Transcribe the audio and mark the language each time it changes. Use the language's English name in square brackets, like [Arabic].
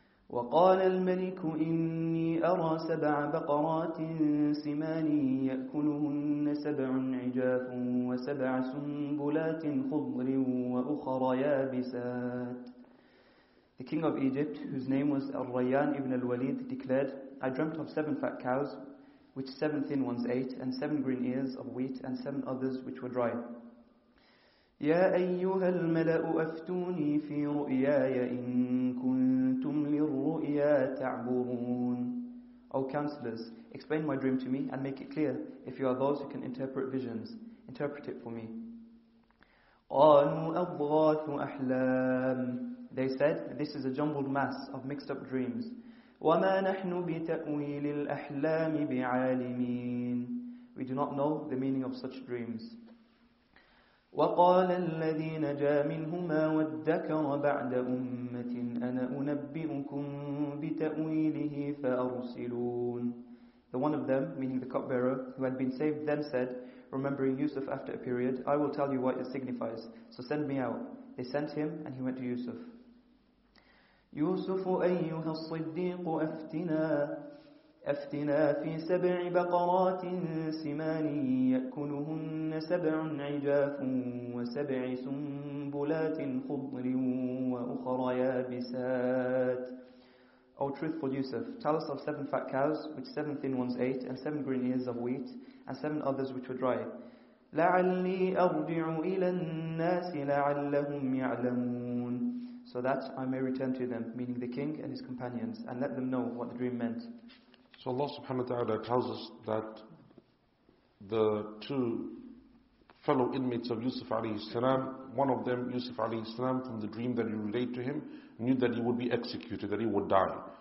[Arabic] وقال الملك إني أرى سبع بقرات سمان يأكلهن سبع عجاف وسبع سنبلات خضر وأخر يابسات. [English] The king of Egypt, whose name was Al-Rayyan ibn al-Walid, declared, I dreamt of seven fat cows, which seven thin ones ate, and seven green ears of wheat, and seven others which were dry. [Arabic] يا أيها الملأ أفتوني في رؤياي إن كنتم للرؤيا تعبرون. [English] O counselors, explain my dream to me and make it clear if you are those who can interpret visions. Interpret it for me. [Arabic] قالوا أضغاث أحلام. [English] They said, this is a jumbled mass of mixed up dreams. [Arabic] وما نحن بتأويل الأحلام بعالمين. [English] We do not know the meaning of such dreams. [Arabic] وَقَالَ الَّذِي نَجَا مِنْهُمَا وَادَّكَرَ بَعْدَ أُمَّةٍ أَنَا أُنَبِّئُكُمْ بِتَأْوِيلِهِ فَأَرْسِلُونَ. [English] The one of them, meaning the cupbearer, who had been saved, then said, remembering Yusuf after a period, I will tell you what it signifies, so send me out. They sent him, and he went to Yusuf. [Arabic] يُوسُفُ أَيُّهَا الصِّدِّيقُ أفتنا في سبع بقرات سمان يأكلهن سبع عجاف وسبع سنبلات خضر وأخر يابسات. [English] O truthful Yusuf, tell us of seven fat cows, which seven thin ones ate, and seven green ears of wheat, and seven others which were dry. [Arabic] لعلي أرجع إلى الناس لعلهم يعلمون. [English] So that I may return to them, meaning the king and his companions, and let them know what the dream meant. So Allah subhanahu wa ta'ala tells us that the two fellow inmates of Yusuf alayhi salam, one of them, Yusuf alayhi salam, from the dream that he relayed to him, knew that he would be executed, that he would die.